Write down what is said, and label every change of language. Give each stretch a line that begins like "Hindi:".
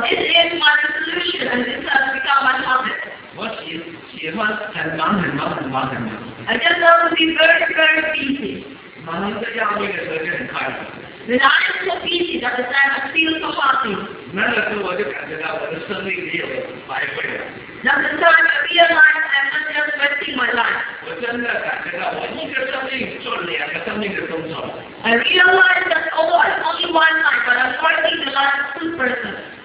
English: this is my solution, and this has become my habit.
Chinese: 我喜欢很忙很忙很忙很忙。
English: I just love to be very very busy.
Chinese: 忙得要命的时候就很快乐。
English: When I am so busy that the time I feel so happy.
Chinese: 那个时候我就感觉到我的生命没有白费了。
English: Now the time I realize I'm not just wasting my life. I realize that although I'm only one life, but I'm working the life of two persons.